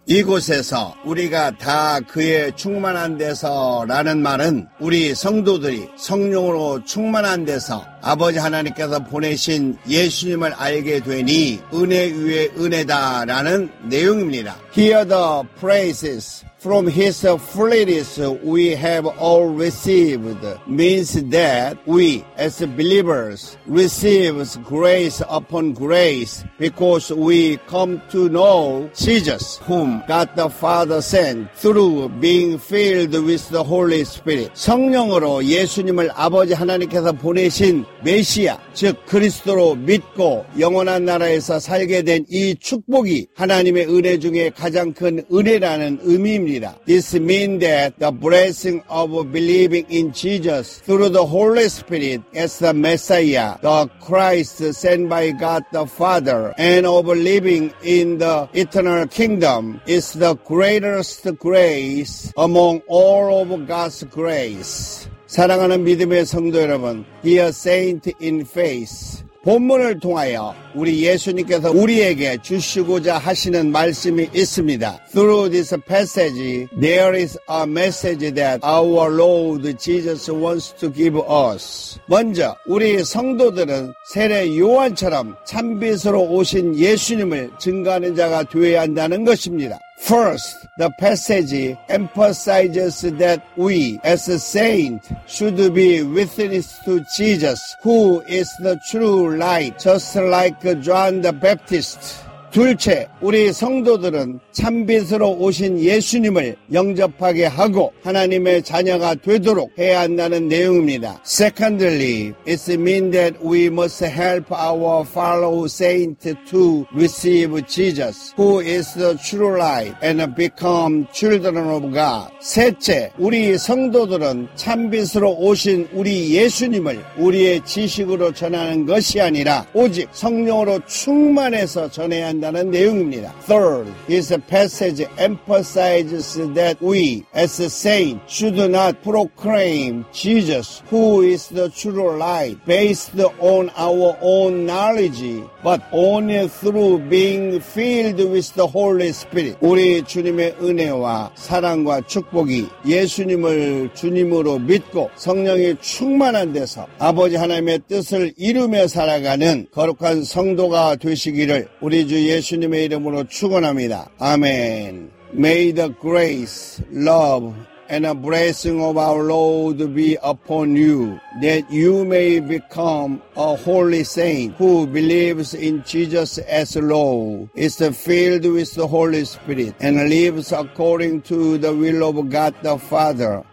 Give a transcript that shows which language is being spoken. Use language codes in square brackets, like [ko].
[ko] 이곳에서 우리가 다 그의 충만한 데서라는 말은 우리 성도들이 성령으로 충만한 데서 아버지 하나님께서 보내신 예수님을 알게 되니 은혜 위에 은혜다라는 내용입니다. [en] Hear the praises. From his fullness we have all received means that we as believers receive grace upon grace because we come to know Jesus whom God the Father sent through being filled with the Holy Spirit. [ko] 성령으로 예수님을 아버지 하나님께서 보내신 메시아 즉 그리스도로 믿고 영원한 나라에서 살게 된 이 축복이 하나님의 은혜 중에 가장 큰 은혜라는 의미입니다. [en] This means that the blessing of believing in Jesus through the Holy Spirit as the Messiah, the Christ sent by God the Father, and of living in the eternal kingdom is the greatest grace among all of God's grace. [ko] 사랑하는 믿음의 성도 여러분, [en] dear saint in faith, [ko] 본문을 통하여 우리 예수님께서 우리에게 주시고자 하시는 말씀이 있습니다. [en] Through this passage, there is a message that our Lord Jesus wants to give us. [ko] 먼저 우리 성도들은 세례 요한처럼 참빛으로 오신 예수님을 증거하는 자가 되어야 한다는 것입니다. [en] First, the passage emphasizes that we, as a saint, should be witness to Jesus, who is the true light, just like John the Baptist. [ko] 둘째, 우리 성도들은 참빛으로 오신 예수님을 영접하게 하고 하나님의 자녀가 되도록 해야 한다는 내용입니다. [en] Secondly, it means that we must help our fellow saint to receive Jesus, who is the true light, and become children of God. [ko] 셋째, 우리 성도들은 참빛으로 오신 우리 예수님을 우리의 지식으로 전하는 것이 아니라 오직 성령으로 충만해서 전해야 한다. 한다는 내용입니다. [en] Third, this passage emphasizes that we as a saint should not proclaim Jesus who is the true light based on our own knowledge but only through being filled with the Holy Spirit. [ko] 우리 주님의 은혜와 사랑과 축복이 예수님을 주님으로 믿고 성령이 충만한 데서 아버지 하나님의 뜻을 이루며 살아가는 거룩한 성도가 되시기를 우리 주 예수님의 이름으로 축원합니다. 아멘. [en] May the grace, love, and a blessing of our Lord be upon you, that you may become a holy saint who believes in Jesus as Lord, is filled with the Holy Spirit, and lives according to the will of God the Father.